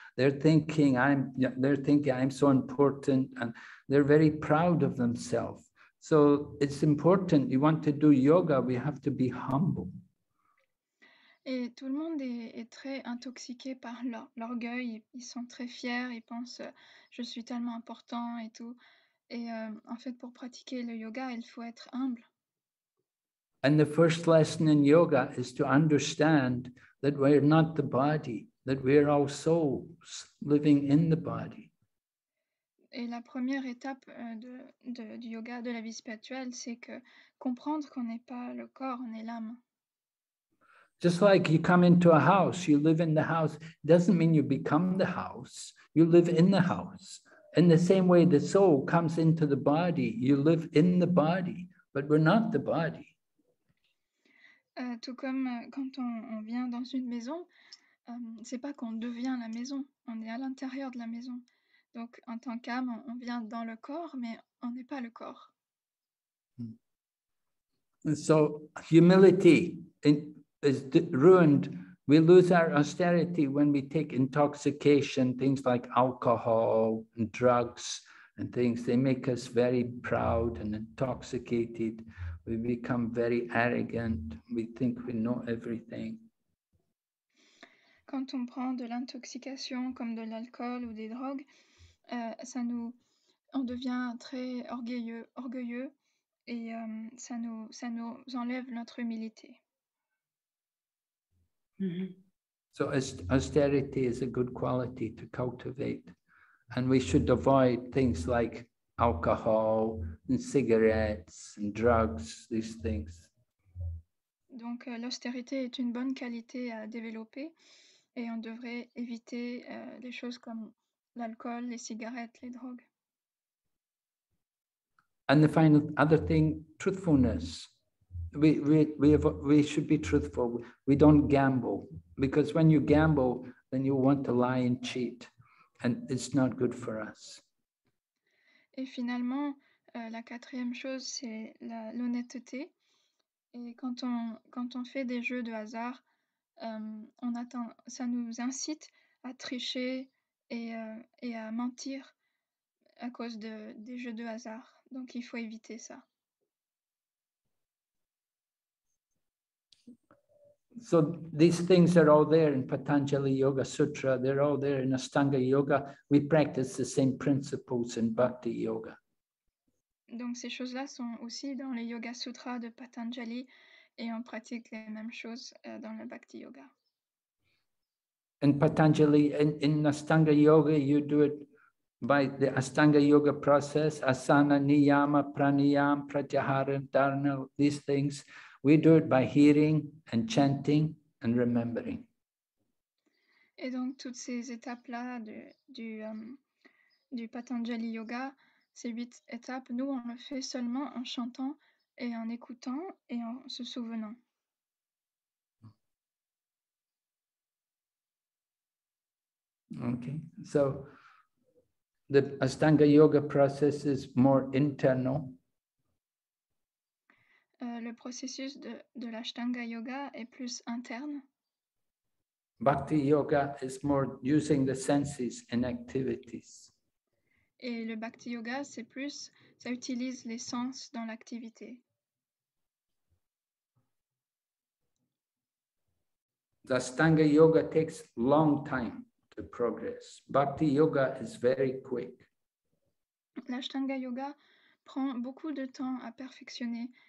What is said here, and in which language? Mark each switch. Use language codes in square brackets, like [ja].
[en] They're thinking I'm so important, and they're very proud of themselves. So it's important. You want to do yoga, we have to be humble. [fr] Et tout le monde est très intoxiqué par l'orgueil. Ils sont très fiers, ils pensent « je suis tellement important » et tout. Et en fait, pour pratiquer le yoga, il faut être humble. [en] And the first lesson in yoga is to understand that we are not the body, that we are all souls living in the body. [fr] Et la première étape du yoga, de la vie spirituelle, c'est que comprendre qu'on n'est pas le corps, on est l'âme. [en] Just like you come into a house, you live in the house, doesn't mean you become the house, you live in the house. In the same way the soul comes into the body, you live in the body, but we're not the body. [fr] Tout comme quand on vient dans une maison, c'est pas qu'on devient la maison, on est à l'intérieur de la maison. Donc en tant qu'âme, on vient dans le corps, mais on n'est pas le corps. [en] So humility is ruined. We lose our austerity when we take intoxication, things like alcohol and drugs and things. They make us very proud and intoxicated. We become very arrogant. We think we know everything. [fr] Quand on prend de l'intoxication comme de l'alcool ou des drogues, on devient très orgueilleux et ça nous enlève notre humilité. Mm-hmm. [en] So austerity is a good quality to cultivate, and we should avoid things like alcohol and cigarettes and drugs, these things. [fr] Donc l'austérité est une bonne qualité à développer, et on devrait éviter les choses comme l'alcool, les cigarettes, les drogues. [en] And the final other thing, truthfulness. We should be truthful. We don't gamble, because when you gamble, then you want to lie and cheat, and it's not good for us. [fr] Et finalement, la quatrième chose, c'est l'honnêteté. Et quand on fait des jeux de hasard, ça nous incite à tricher et à mentir à cause des jeux de hasard. Donc il faut éviter ça. [en] So these things are all there in Patanjali Yoga Sutra, they're all there in Ashtanga Yoga. We practice the same principles in Bhakti Yoga. [fr] Donc ces choses-là sont aussi dans les Yoga Sutras de Patanjali et on pratique les mêmes choses dans le Bhakti Yoga. [en] In Patanjali, in Ashtanga Yoga, you do it by the Ashtanga Yoga process, asana, niyama, pranayama, pratyahara, dharana, these things. We do it by hearing and chanting and remembering. [fr] Et donc toutes ces étapes-là du Patanjali Yoga, ces 8 étapes, nous on le fait seulement en chantant et en écoutant et en se souvenant. [en] Okay, so the Ashtanga Yoga process is more internal. [fr] Le processus de l'Ashtanga Yoga est plus interne. [en] Bhakti Yoga is more using the senses and activities. [fr] Et le Bhakti Yoga, c'est plus, ça utilise les sens dans l'activité. [en] The Ashtanga Yoga takes long time to progress. Bhakti Yoga is very quick. [fr] L'Ashtanga Yoga prend beaucoup de temps à perfectionner.